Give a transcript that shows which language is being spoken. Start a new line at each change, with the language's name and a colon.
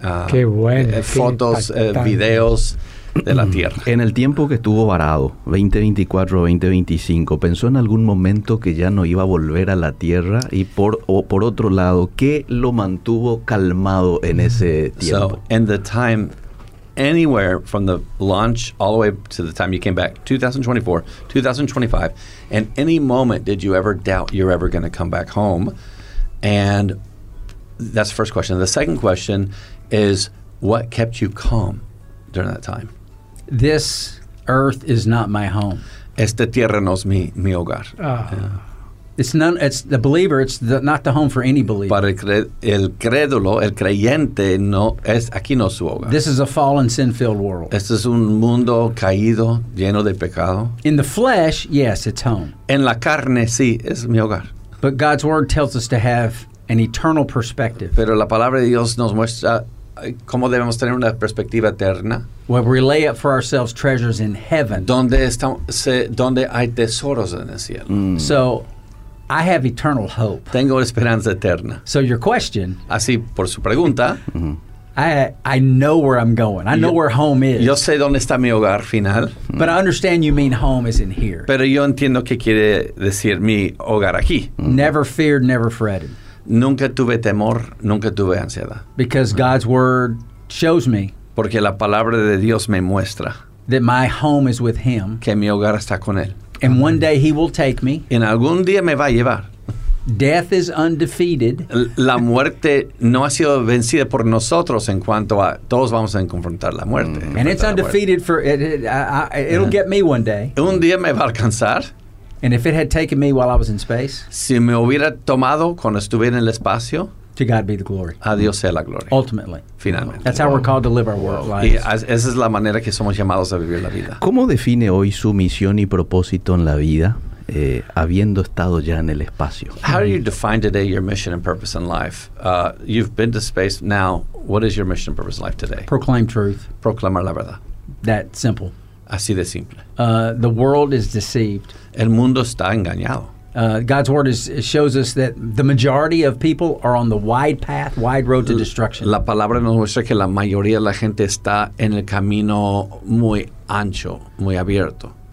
Spanish: qué bueno, fotos, qué videos de la Tierra. En el tiempo que estuvo varado, 2024, 2025, ¿pensó en algún momento que ya no iba a volver a la Tierra? Y por otro lado, ¿qué lo mantuvo calmado en ese tiempo?
English: So, in the time, anywhere from the launch all the way to the time you came back, 2024, 2025, and any moment did you ever doubt you're ever going to come back home? And that's the first question. The second question is, what kept you calm during that time? This earth is not my home.
Spanish: Esta tierra no es mi hogar.
English: It's the believer, not the home for any believer.
Spanish: Para el creyente, no es aquí no su hogar.
English: This is a fallen, sin-filled world.
Spanish: Este es un mundo caído, lleno de pecado.
English: In the flesh, yes, it's home.
Spanish: En la carne, sí, es mi hogar.
English: But God's word tells us to have an eternal perspective.
Spanish: Pero la palabra de Dios nos muestra cómo debemos tener una perspectiva eterna.
English: Where we lay up for ourselves treasures in heaven.
Spanish: Donde hay tesoros en el cielo. Mm.
English: So, I have eternal hope.
Spanish: Tengo esperanza eterna.
English: So your question.
Spanish: Así por su pregunta.
English: I know where I'm going. I know where home is.
Spanish: Yo sé dónde está mi hogar final.
English: But I understand you mean home is in here.
Spanish: Pero yo entiendo qué quiere decir mi hogar aquí.
English: Never feared, never fretted.
Spanish: Nunca tuve temor, nunca tuve ansiedad.
English: Because God's word shows me.
Spanish: Porque la palabra de Dios me muestra.
English: That my home is with him.
Spanish: Que mi hogar está con él.
English: And one day he will take me.
Spanish: En algún día me va a llevar.
English: Death is undefeated.
Spanish: La muerte no ha sido vencida por nosotros en cuanto a todos vamos a confrontar la muerte.
English: And it's undefeated it'll get me one day.
Spanish: Un día me va a alcanzar.
English: And if it had taken me while I was in space.
Spanish: Si me hubiera tomado cuando estuve en el espacio.
English: To God be the glory.
Spanish: A Dios sea la gloria.
English: Ultimately.
Spanish: Finalmente.
English: That's how we're called to live our world lives.
Spanish: Y esa es la manera que somos llamados a vivir la vida. ¿Cómo define hoy su misión y propósito en la vida, habiendo estado ya en el espacio?
English: How do you define today your mission and purpose in life? You've been to space. Now, what is your mission and purpose in life today? Proclaim truth.
Spanish: Proclamar la verdad.
English: That simple.
Spanish: Así de simple.
English: The world is deceived.
Spanish: El mundo está engañado.
English: God's word shows us that the majority of people are on the wide path, wide road to destruction.
Spanish: La palabra nos muestra que la mayoría de la gente está en el camino muy ancho, muy abierto.